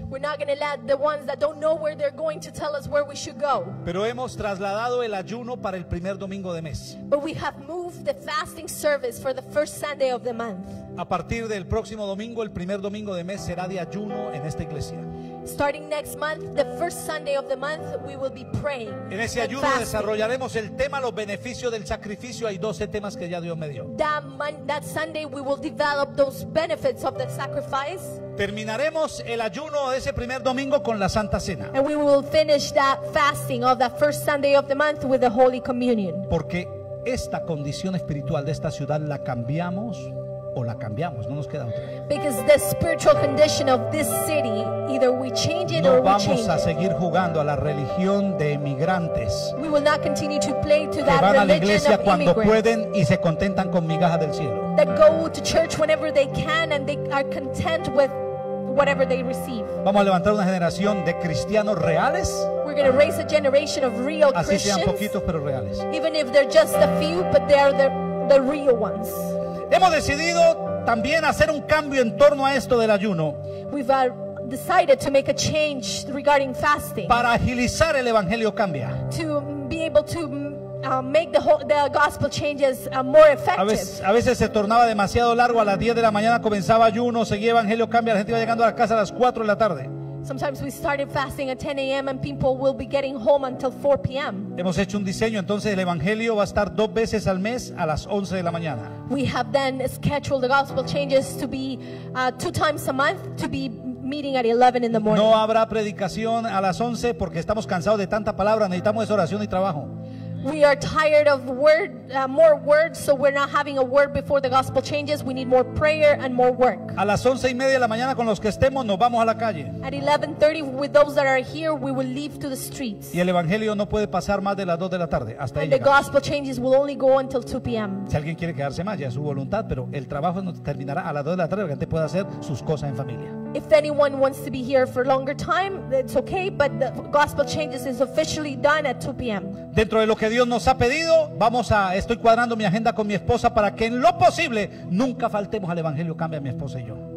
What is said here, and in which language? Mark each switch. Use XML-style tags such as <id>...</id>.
<en>We're not going to let the ones that don't know where they're going to tell us where we should go.</en> <es>Pero hemos trasladado el ayuno para el primer domingo de mes.</es> <en>But we have moved the fasting service for the first Sunday of the month.</en> <es>A partir del próximo domingo, el primer domingo de mes será de ayuno en esta iglesia.</es> <en>Starting next month, the first Sunday of the month, we will be praying.</en> <es>En ese ayuno desarrollaremos el tema los beneficios del sacrificio. Hay 12 temas que ya Dios me dio.</es> <en>That Sunday we will develop those benefits of the sacrifice.</en> <es>Terminaremos el ayuno de ese primer domingo con la Santa Cena.</es> <en>And we will finish that fasting of the first Sunday of the month with the Holy Communion.</en> <es>Porque esta condición espiritual de esta ciudad la cambiamos. O la cambiamos, no nos queda otra.</es> <en>Because the spiritual condition of this city, either we change it no or we change it.</en> <es>No vamos a seguir jugando a la religión de emigrantes.</es> <en>We will not continue to play to that religion of immigrants.</en> <es>Cuando pueden y se contentan con migajas del cielo.</es> <en>That go to church whenever they can and they are content with whatever they receive.</en> <es>Vamos a levantar una generación de cristianos reales.</es> <en>We're going to raise a generation of real</en> <es>así</es> <en>Christians.</en> <es>Así sean poquitos pero reales.</es> <en>Even if they're just a few, but they are the real ones.</en> <es>Hemos decidido también hacer un cambio en torno a esto del ayuno.</es> <en>We've decided to make a change regarding fasting.</en> <es>Para agilizar el evangelio cambia.</es> <en>To be able to make the gospel changes more effective.</en> <es>A veces se tornaba demasiado largo. A las 10 de la mañana comenzaba ayuno, seguía evangelio cambia, la gente iba llegando a la casa a las 4 de la tarde.</es> <en>Sometimes we started fasting at 10 a.m. and people will be getting home until 4 p.m.</en> <es>Hemos hecho un diseño, entonces el evangelio va a estar 2 veces al mes a las 11 de la mañana.</es> <en>We have then scheduled the gospel changes to be 2 times a month to be meeting at 11 in the morning.</en> <es>No habrá predicación a las 11 porque estamos cansados de tanta palabra, necesitamos esa oración y trabajo.</es> <en>We are tired of more words, so we're not having a word before the gospel changes. We need more prayer and more work.</en> <es>A las 11:30 de la mañana con los que estemos nos vamos a la calle.</es> <en>At 11:30 with those that are here, we will leave to the streets.</en> <es>Y el evangelio no puede pasar más de las 2 de la tarde hasta ahí.</es> <en>The gospel changes will only go until 2 p.m.</en> <es>Si alguien quiere quedarse más, ya es su voluntad, pero el trabajo no terminará a las 2 de la tarde, la gente puede hacer sus cosas en familia.</es> <en>If anyone wants to be here for longer time, it's okay, but the gospel changes is officially done at 2 p.m.</en> <es>Dentro de lo que Dios nos ha pedido, estoy cuadrando mi agenda con mi esposa para que en lo posible nunca faltemos al evangelio cambia mi esposa y yo.</es>